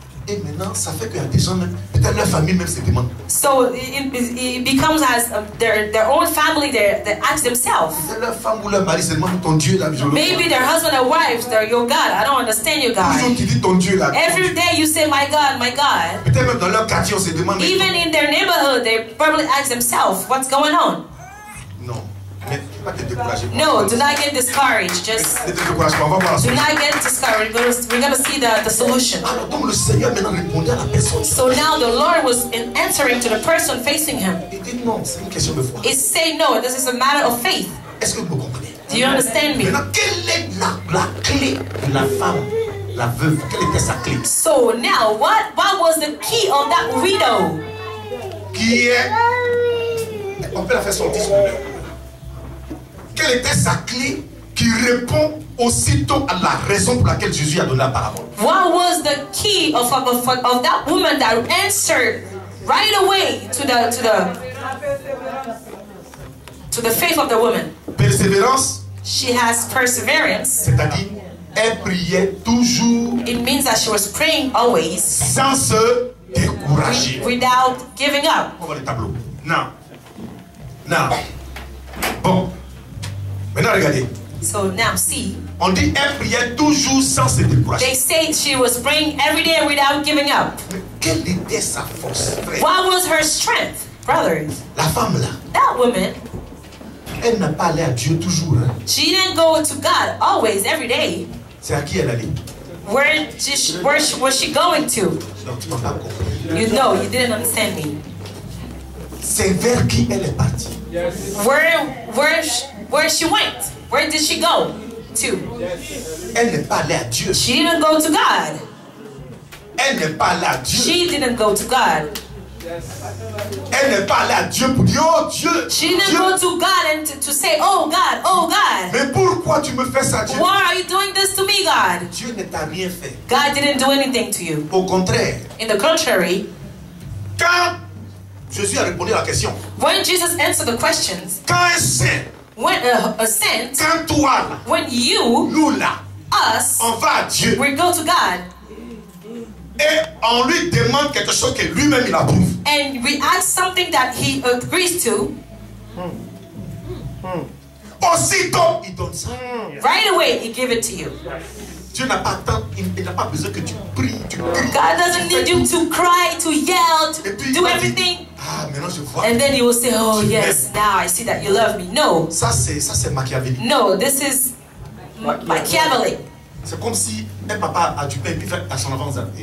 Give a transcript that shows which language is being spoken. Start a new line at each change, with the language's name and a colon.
French: Et maintenant, ça fait qu'il y a des gens, peut-être leur famille même se demande.
English: So it becomes as their own family they ask themselves.
French: Leur femme ou leur mari se demande ton Dieu là.
English: Maybe their husband or wife, they're your God. I don't understand you, God.
French: Toujours qui dit ton Dieu là.
English: Every day you say my God, my God.
French: Peut-être même dans leur quartier on se demande.
English: Even in their neighborhood, they probably ask themselves, what's going on?
French: Non, mais tu vas te décourager.
English: No, do not get discouraged. Just.
French: Ne te décourage pas, on va voir la solution.
English: Do not get discouraged. We're gonna see the solution.
French: Alors donc le Seigneur maintenant répondait à la personne.
English: So now the Lord was answering to the person facing him.
French: Il dit non, c'est une question de foi.
English: It say no, this is a matter of faith.
French: Est-ce que vous comprenez?
English: Do you understand me?
French: Maintenant quelle est la clé de la femme, la veuve? Quelle était sa clé?
English: So now what was the key of that widow?
French: Qui est? On peut la faire sortir son cœur. Quelle était sa clé qui répond aussitôt à la raison pour laquelle Jésus a donné la parabole?
English: What was the key of that woman that answered right away to the faith of the woman? Perseverance. She has perseverance.
French: C'est-à-dire, elle priait toujours.
English: It means that she was praying always.
French: Sans se décourager.
English: Without giving up.
French: On voit le tableau.
English: Now.
French: Bon. Maintenant regardez.
English: So now see.
French: On dit elle priait toujours sans se décourager.
English: They say she was praying every day without giving up.
French: Mais quelle était sa force, frère?
English: What was her strength, brother?
French: La femme là.
English: That woman.
French: Elle n'a pas allé à Dieu toujours. Hein?
English: She didn't go to God always every day.
French: C'est à qui elle allait?
English: Where was she going to?
French: Non, tu m'as pas compris.
English: You know, you didn't understand me.
French: C'est vers qui elle est partie?
English: Yes. Where she went? Where did she go to?
French: Elle n'est pas allée à Dieu.
English: She didn't go to God.
French: Elle n'est pas allée à Dieu.
English: She didn't go to God.
French: Elle n'est pas allée à Dieu pour dire oh Dieu.
English: She didn't
French: Dieu.
English: Go to God and to say oh God, oh God.
French: Mais pourquoi tu me fais ça, Dieu?
English: Why are you doing this to me, God?
French: Dieu ne t'a rien fait.
English: God didn't do anything to you.
French: Au contraire.
English: In the contrary.
French: Quand Jésus a répondu à la question.
English: When Jesus answered the questions.
French: Quand un saint.
English: When a saint.
French: Quand toi.
English: When you.
French: Nous là.
English: Us.
French: On va à Dieu.
English: We go to God.
French: Et on lui demande quelque chose que lui-même il approuve.
English: And we ask something that he agrees to.
French: Aussitôt il donne ça.
English: Right away he give it to you.
French: Dieu n'a pas tant, il n'a pas besoin que tu pries, tu cries.
English: God doesn't need you to cry, to yell, to do everything.
French: Ah, maintenant je vois.
English: And then he will say, oh yes, now I see that you love me. No.
French: Ça c'est Machiavelli.
English: No, this is Machiavelli.
French: C'est comme si un papa a du pain puis fait à son enfant.